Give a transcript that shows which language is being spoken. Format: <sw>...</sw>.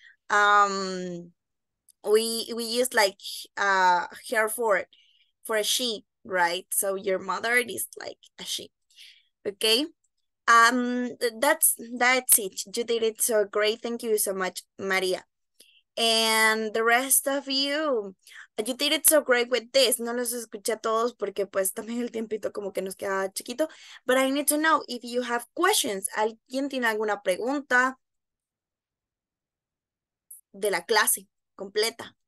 <en>We use like, her for a she. Right, so your mother is like a she. Okay, that's it. You did it so great. Thank you so much, Maria, and the rest of you. You did it so great with this.</en> <es>No los escuché a todos porque pues también el tiempito como que nos queda chiquito.</es> <en>But I need to know if you have questions.</en> <es>¿Alguien tiene alguna pregunta de la clase completa?</es>